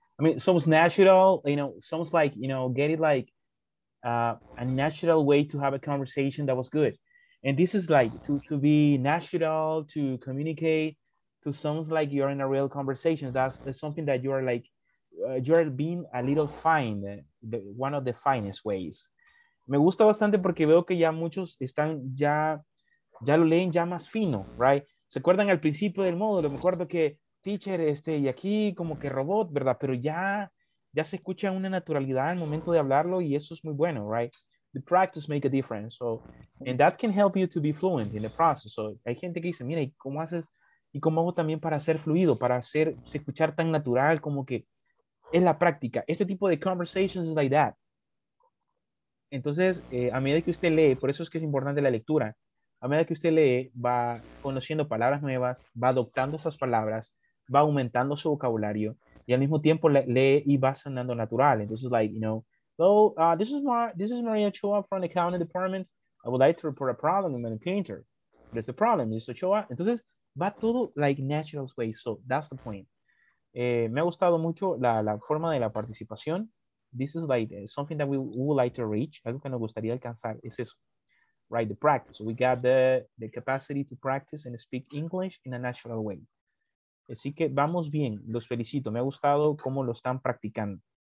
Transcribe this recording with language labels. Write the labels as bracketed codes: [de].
[en] I mean, it's almost natural, you know, it's almost like, you know, get it like a natural way to have a conversation that was good. And this is like to be natural, to communicate, to sounds like you're in a real conversation. That's something that you are like, you're being a little fine, one of the finest ways. [es] Me gusta bastante porque veo que ya muchos están ya lo leen ya más fino, right? ¿Se acuerdan al principio del módulo? Me acuerdo que teacher, y aquí como que robot, ¿verdad? Pero ya se escucha una naturalidad al momento de hablarlo y eso es muy bueno, right? [en] The practice make a difference. So, and that can help you to be fluent in the process. [es] So, hay gente que dice, mira, ¿y cómo haces? ¿Y cómo hago también para ser fluido, para hacerse escuchar tan natural como que es la práctica? Este tipo de [en] conversations is like that. [es] Entonces, a medida que usted lee, por eso es que es importante la lectura, a medida que usted lee, va conociendo palabras nuevas, va adoptando esas palabras, va aumentando su vocabulario, y al mismo tiempo lee y va sonando natural. Entonces, [en] like, you know, this is Maria Ochoa from the accounting department. I would like to report a problem with my printer. There's the problem, Mr. Ochoa. [es] Entonces, va todo [en] like natural way. So, that's the point. [es] Me ha gustado mucho la forma de la participación. [en] This is like something that we would like to reach. [es] Algo que nos gustaría alcanzar es eso. [en] Right, the practice. So we got the capacity to practice and speak English in a natural way. [es] Así que vamos bien. Los felicito. Me ha gustado cómo lo están practicando.